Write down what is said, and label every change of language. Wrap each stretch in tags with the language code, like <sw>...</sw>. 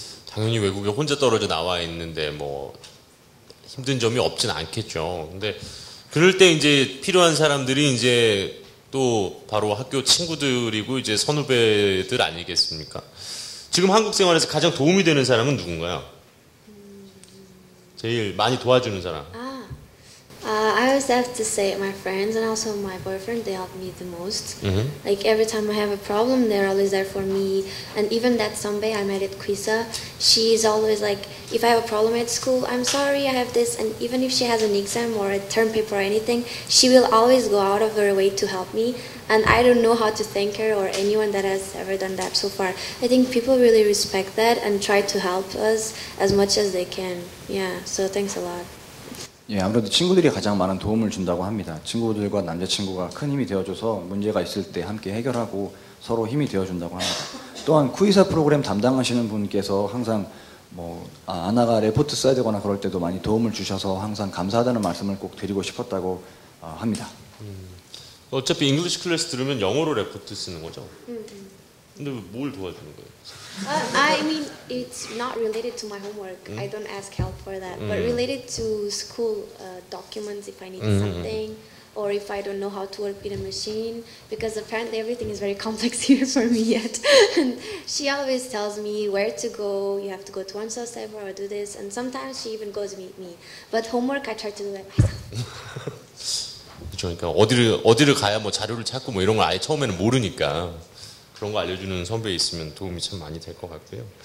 <ko>당연히 외국에 혼자 떨어져 나와 있는데 뭐 힘든 점이 없진 않겠죠. 근데 그럴 때 이제 필요한 사람들이 이제 또 바로 학교 친구들이고 이제 선후배들 아니겠습니까? 지금 한국 생활에서 가장 도움이 되는 사람은 누군가요? 제일 많이 도와주는 사람.</ko> <en>I always have to say my friends and also my boyfriend, they help me the most. Like every time I have a problem, they're always there for me. And even that sombae I met at Kwisa, she's always like, if I have a problem at school, I'm sorry, I have this. And even if she has an exam or a term paper or anything, she will always go out of her way to help me. And I don't know how to thank her or anyone that has ever done that so far. I think people really respect that and try to help us as much as they can. Yeah, so thanks a lot.</en> <ko>예, 아무래도 친구들이 가장 많은 도움을 준다고 합니다. 친구들과 남자친구가 큰 힘이 되어줘서 문제가 있을 때 함께 해결하고 서로 힘이 되어준다고 합니다. 또한 쿠이사 프로그램 담당하시는 분께서 항상 뭐 아나가 레포트 써야 되거나 그럴 때도 많이 도움을 주셔서 항상 감사하다는 말씀을 꼭 드리고 싶었다고 합니다. 어차피 잉글리시 클래스 들으면 영어로 레포트 쓰는 거죠? 근데 뭘 도와주는 거예요?</ko> <en>I mean, it's not related to my homework. I don't ask help for that. But related to school documents, if I need something, or if I don't know how to work with a machine, because apparently everything is very complex here for me yet. And she always tells me where to go. You have to go to one cell server or do this. And sometimes she even goes meet me. But homework, I try to do it myself.</en> <ko>그러니까 어디를 가야 뭐 자료를 찾고 뭐 이런 걸 아예 처음에는 모르니까. 그런 거 알려주는 선배 있으면 도움이 참 많이 될 것 같고요.</ko>